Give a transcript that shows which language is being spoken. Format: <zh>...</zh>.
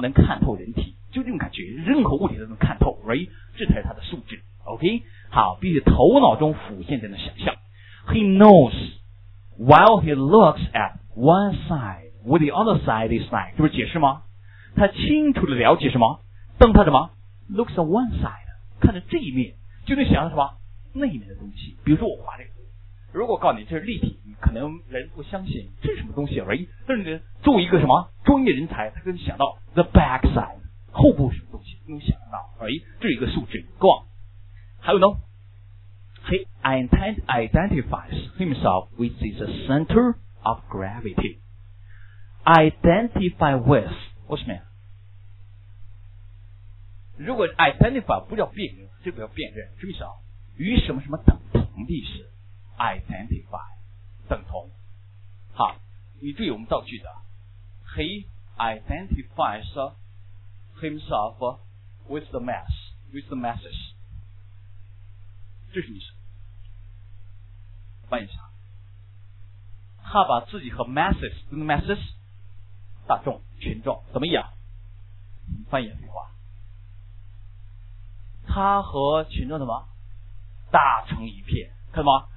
<zh>能看透人体，就这种感觉，任何物体都能看透 ，right？这才是他的素质 ，OK？好，必须头脑中浮现在那想象</zh> <en>，He knows while he looks at one side, what the other side is like，</en> <zh>这不是解释吗？他清楚的了解什么？当他什么？</zh> <en>looks on one side，</en> <zh>看着这一面就能想到什么那一面的东西。比如说我画这个，如果告诉你这是立体，可能人不相信这是什么东西而已，但是作为一个什么专业人才，他可以想到</zh> <en>the back side</en> <zh>后部什么东西能想到而已，这是一个素质。</zh> <en>go on，</en> <zh>还有呢</zh> <en>he identifies himself with his center of gravity， identify with what's mean，</en> <zh>如果 identify 不叫辨认，这个叫辨认，注意啊，与什么什么等同的是 identify 等同。好，你注意我们造句的 ，</zh> <en>He identifies himself with the mass with the masses，</en> <zh>这是什么意思？翻译一下，他把自己和</zh> <en>masses the masses</en> <zh>大众群众怎么样？翻译一下。他和群众什么打成一片，看到吗？</zh>